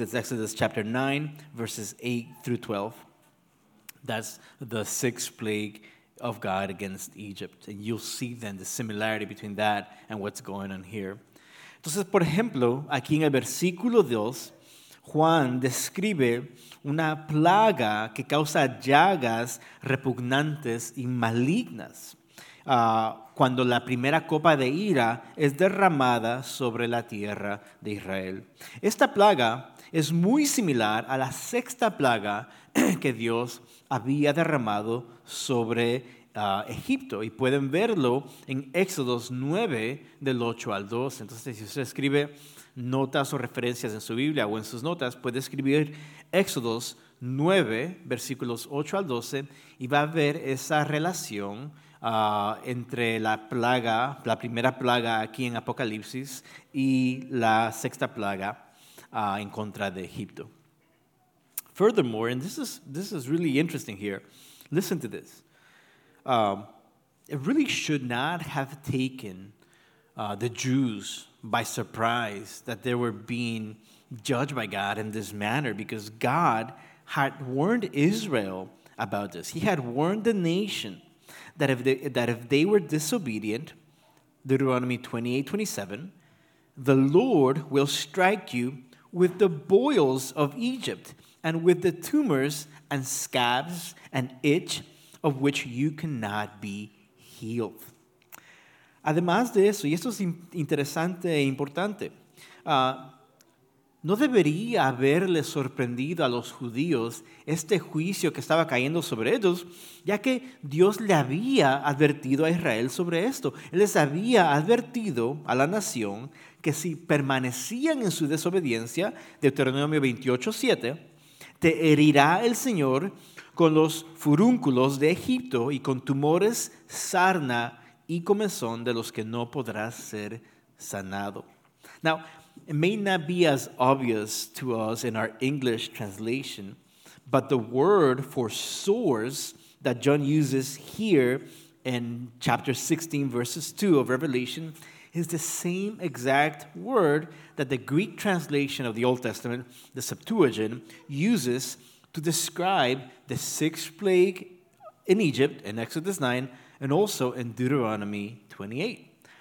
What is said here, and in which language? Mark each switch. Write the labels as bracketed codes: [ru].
[en] It's Exodus chapter 9, verses 8 through 12. That's the sixth plague of God against Egypt. And you'll see then the similarity between that and what's going on here. [es] Entonces, por ejemplo, aquí en el versículo 2, Juan describe una plaga que causa llagas repugnantes y malignas. Cuando la primera copa de ira es derramada sobre la tierra de Israel. Esta plaga es muy similar a la sexta plaga que Dios había derramado sobre Egipto. Y pueden verlo en Éxodos 9, del 8 al 12. Entonces, si usted escribe notas o referencias en su Biblia o en sus notas, puede escribir Éxodos 9, versículos 8 al 12, y va a ver esa relación entre la plaga, la primera plaga aquí en Apocalipsis y la sexta plaga en contra de Egipto. [en] Furthermore, and this is really interesting here, listen to this. It really should not have taken the Jews by surprise that they were being judged by God in this manner, because God had warned Israel about this. He had warned the nation that if they were disobedient, Deuteronomy 28:27, the Lord will strike you with the boils of Egypt and with the tumors and scabs and itch of which you cannot be healed. [es] Además de eso, y esto es interesante e importante, no debería haberle sorprendido a los judíos este juicio que estaba cayendo sobre ellos, ya que Dios le había advertido a Israel sobre esto. Él les había advertido a la nación que si permanecían en su desobediencia, Deuteronomio 28:7, te herirá el Señor con los furúnculos de Egipto y con tumores, sarna y comezón de los que no podrás ser sanado. [en] Now, it may not be as obvious to us in our English translation, but the word for sores that John uses here in chapter 16, verses 2 of Revelation is the same exact word that the Greek translation of the Old Testament, the Septuagint, uses to describe the sixth plague in Egypt in Exodus 9 and also in Deuteronomy 28.